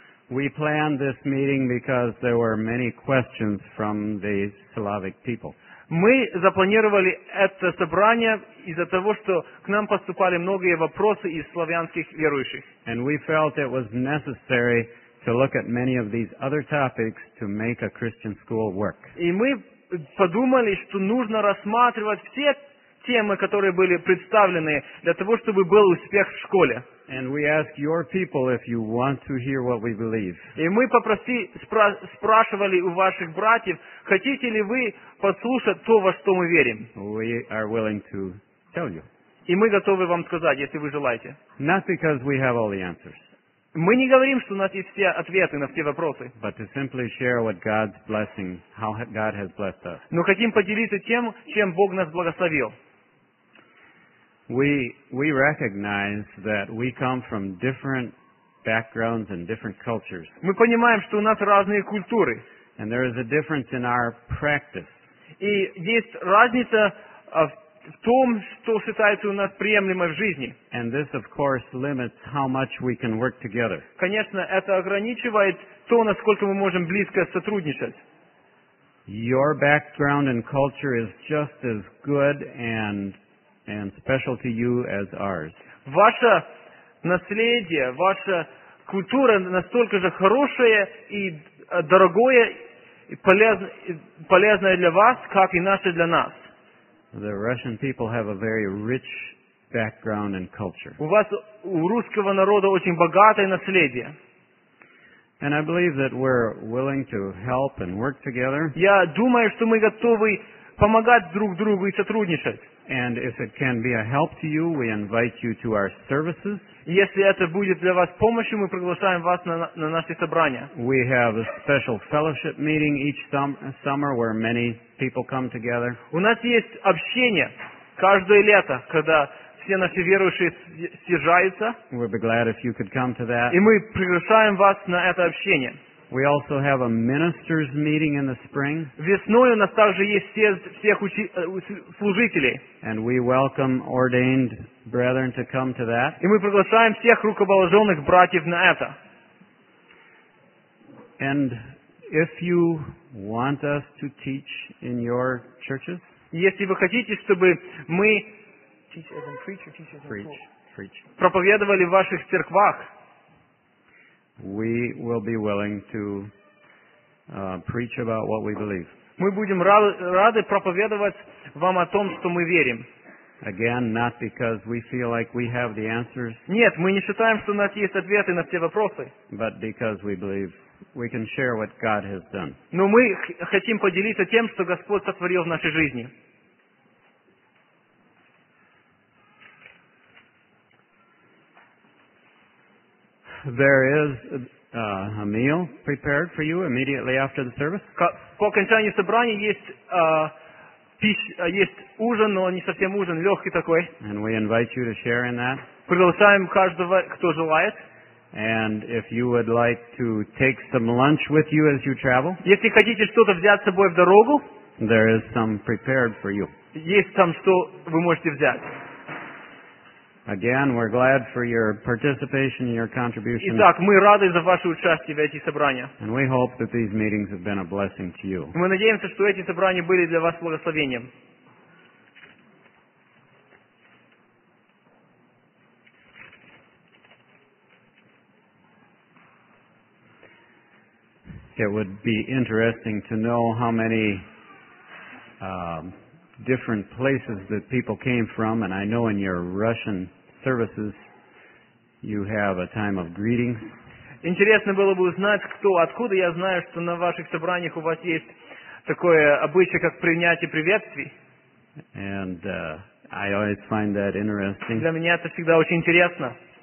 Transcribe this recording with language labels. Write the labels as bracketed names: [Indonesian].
[English] We planned this meeting because there were many questions from the Slavic people. [Russian] Мы запланировали это собрание из-за того, что к нам поступали многие вопросы из славянских верующих. [English] And we felt it was necessary to look at many of these other topics to make a Christian school work. [Russian] И мы подумали, что нужно рассматривать все темы, которые были представлены, для того, чтобы был успех в школе. [English] And we ask your people if you want to hear what we believe. [Russian] И мы спрашивали у ваших братьев, хотите ли вы послушать то, во что мы верим. [English] We are willing to tell you. [Russian] И мы готовы вам сказать, если вы желаете. [English] Not because we have all the answers. [Russian] Мы не говорим, что у нас есть все ответы на все вопросы. [English] But to simply share what God's blessing, how God has blessed us. [Russian] Но хотим поделиться тем, чем Бог нас благословил. [English] We recognize that we come from different backgrounds and different cultures. [Russian] Мы понимаем, что у нас разные культуры. [English] And there is a difference in our practice. [Russian] И есть разница в том, что считается у нас приемлемым в жизни. [English] And this, of course, limits how much we can work together. [Russian] Конечно, это ограничивает то, насколько мы можем близко сотрудничать. [English] Your background and culture is just as good and special to you as ours. [Russian] Ваше наследие, ваша культура настолько же хорошая и дорогое и полезное для вас, как и наше для нас. [English] The Russian people have a very rich background and culture. [Russian] У русского народа очень богатое наследие. [English] And I believe that we're willing to help and work together. [Russian] Я думаю, что мы готовы помогать друг другу и сотрудничать. [English] And if it can be a help to you, we invite you to our services. [Russian] Если это будет для вас помощью, мы приглашаем вас на наши собрания. [English] We have a special fellowship meeting each summer where many people come together. [Russian] У нас есть общение каждое лето, когда все наши верующие съезжаются. [English] We'd be glad if you could come to that. [Russian] И мы приглашаем вас на это общение. [English] We also have a ministers' meeting in the spring. [Russian] Весной у нас также есть всех служителей. [English] And we welcome ordained brethren to come to that. [Russian] И мы приглашаем всех рукоположенных братьев на это. [English] And if you want us to teach in your churches, [Russian] если вы хотите, чтобы мы проповедовали в ваших церквах, [English] we will be willing to preach about what we believe. [Russian] Мы будем рады проповедовать вам о том, что мы верим. [English] Again, not because we feel like we have the answers. [Russian] Нет, мы не считаем, что у нас есть ответы на все вопросы. [English] But because we believe we can share what God has done. [Russian] Но мы хотим поделиться тем, что Господь сотворил в нашей жизни. [English] There is a meal prepared for you immediately after the service. [Russian] По окончании собрания есть ужин, но не совсем ужин, легкий такой. [English] And we invite you to share in that. [Russian] Приглашаем каждого, кто желает. [English] And if you would like to take some lunch with you as you travel, [Russian] если хотите что-то взять с собой в дорогу, [English] there is some prepared for you. [Russian] Есть там, что вы можете взять. [English] Again, we're glad for your participation and your contribution. [Russian] Итак, мы рады за ваше участие в этих собраниях. [English] And we hope that these meetings have been a blessing to you. [Russian] Мы надеемся, что эти собрания были для вас благословением. [English] It would be interesting to know how many different places that people came from, and I know in your Russian services, you have a time of greetings. [Russian] Интересно было бы узнать, кто, откуда. Я знаю, что на ваших собраниях у вас есть такое обычай, как принятие приветствий. [English] And I always find that interesting. [Russian] Для меня это всегда очень интересно.